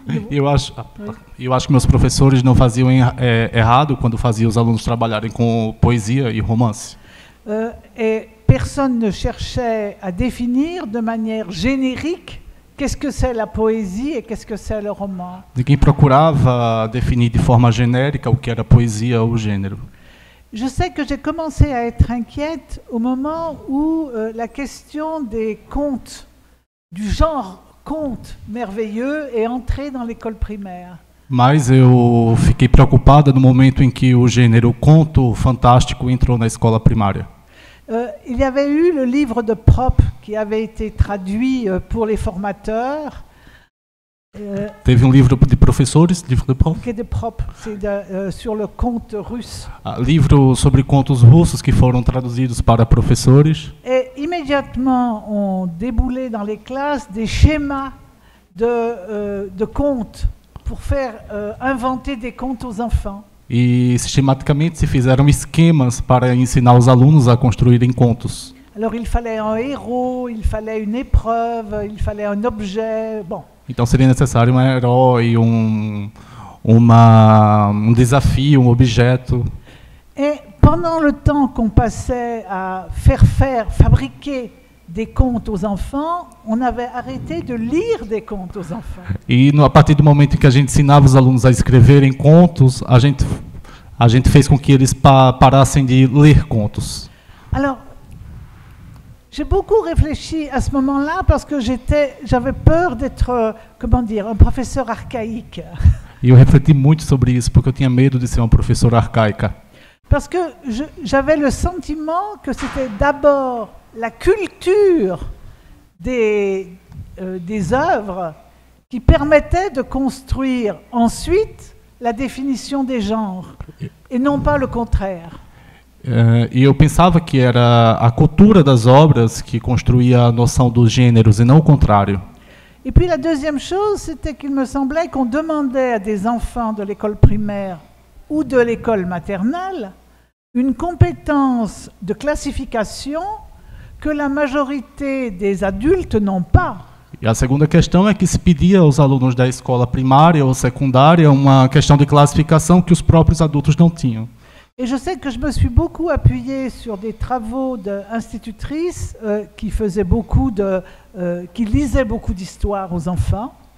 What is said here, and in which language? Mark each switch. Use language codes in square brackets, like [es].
[pt] Eu acho que meus professores não faziam errado quando faziam os alunos trabalharem com poesia e romance. [fr] Et personne ne cherchait à définir de manière générique qu'est-ce que c'est la poésie et qu'est-ce que c'est le roman. [pt] Ninguém procurava definir de forma genérica o que era poesia ou gênero. [fr] Je sais que j'ai commencé à être inquiète au moment où la question des contes, du genre conte merveilleux, est entrée dans l'école primaire. [pt] Mas eu fiquei preocupada no momento em que o gênero conto fantástico entrou na escola primária. [fr] Il y avait eu le livre de Prop qui avait été traduit pour les formateurs. [pt] Teve um livro de professores, livro de Prop? [fr] Que de Prop, c'est sur le conte russe. [pt] Livro sobre contos russos que foram traduzidos para professores. [fr] Et immédiatement ont déboulé dans les classes des schémas de contes pour faire inventer des contes aux enfants. [pt] E sistematicamente se fizeram esquemas para ensinar os alunos a construírem contos. [fr] Alors, il fallait un héros, il fallait une épreuve, il fallait un objet. Bon. [pt] Então seria necessário um herói, um desafio, um objeto. [fr] Et pendant le temps qu'on passait à faire fabriquer des contes aux enfants, on avait arrêté de lire des contes aux enfants. [pt] E a partir do momento em que a gente ensinava os alunos a escreverem contos, a gente fez com que eles parassem de ler contos. [fr] Alors, j'ai beaucoup réfléchi à ce moment-là parce que j'avais peur d'être, comment dire, un professeur archaïque. [pt] E eu refleti muito sobre isso porque eu tinha medo de ser um professor arcaica. [fr] Parce que j'avais le sentiment que c'était d'abord la culture des œuvres qui permettait de construire ensuite la définition des genres et non pas le contraire. [pt] E eu pensava que era a cultura das obras que construía a noção dos gêneros e não o contrário. [fr] Et puis la deuxième chose, c'était qu'il me semblait qu'on demandait à des enfants de l'école primaire ou de l'école maternelle une compétence de classification que la majorité des adultes n'ont pas. [pt] E a segunda questão é que se pedia aos alunos da escola primária ou secundária uma questão de classificação que os próprios adultos não tinham. [fr] Et je sais que je me suis beaucoup appuyée sur des travaux d'institutrices qui faisaient beaucoup de, qui lisaient beaucoup d'histoires aux enfants.